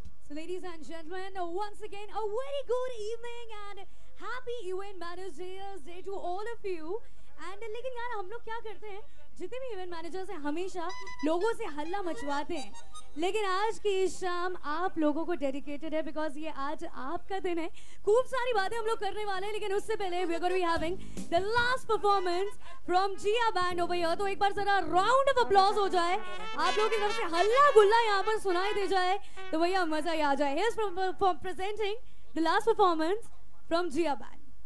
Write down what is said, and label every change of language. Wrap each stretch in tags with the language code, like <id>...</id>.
<en>Ladies and gentlemen, once again, a very good evening and happy event managers day to all of you.</en> <hi>And लेकिन यार हम लोग क्या करते हैं? जितने भी event managers हैं हमेशा लोगों से हल्ला मचवाते हैं. लेकिन आज की इस शाम आप लोगों को dedicated है, because ये आज आपका दिन है. खूब सारी बातें हम लोग करने वाले हैं, लेकिन उससे पहले</hi> <en>we are going to be having the last performance from Jia Band over here.</en> <hi>तो एक बार जरा round of applause हो जाए, आप लोगों की तरफ से हल्ला गुल्ला यहाँ पर सुनाई दे जाए, तो भैया मजा ही आ जाए.</hi> <en>Here's from presenting the last performance from Jia Band.</en>